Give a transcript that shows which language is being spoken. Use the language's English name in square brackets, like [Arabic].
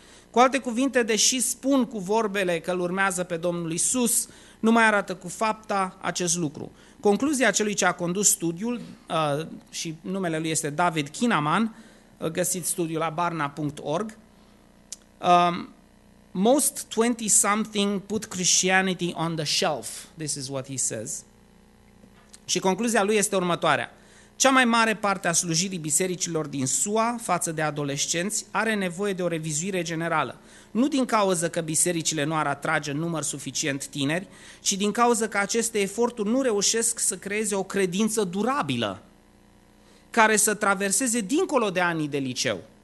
[Romanian] Cu alte cuvinte, deși spun cu vorbele că îl urmează pe Domnul Iisus, nu mai arată cu fapta acest lucru. Concluzia celui ce a condus studiul, și numele lui este David Kinnaman, găsiți studiul la barna.org, [English] Most 20-something put Christianity on the shelf. This is what he says. [Romanian] Și concluzia lui este următoarea. Cea mai mare parte a slujirii bisericilor din SUA față de adolescenți are nevoie de o revizuire generală. Nu din cauză că bisericile nu ar atrage număr suficient tineri, ci din cauză că aceste eforturi nu reușesc să creeze o credință durabilă care să traverseze dincolo de anii de liceu.